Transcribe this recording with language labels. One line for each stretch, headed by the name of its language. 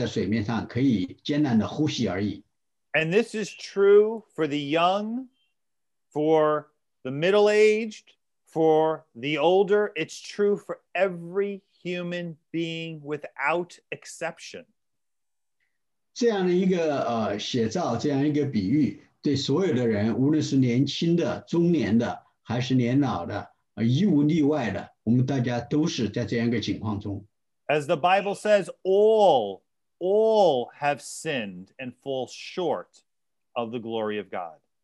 Chinese: 我们每个人从属灵的角度讲，我们只是鼻子刚好露在水面上，可以艰难的呼吸而已。
English: And this is true for the young, for the middle-aged, for the older. It's true for every human being without exception.
Chinese: 这样的一个写照，这样一个比喻，对所有的人，无论是年轻的、中年的。还是年老的,义无例外的,我们大家都是在这样一个情况中。
English: As the Bible says, all have sinned and fall short of the glory of God.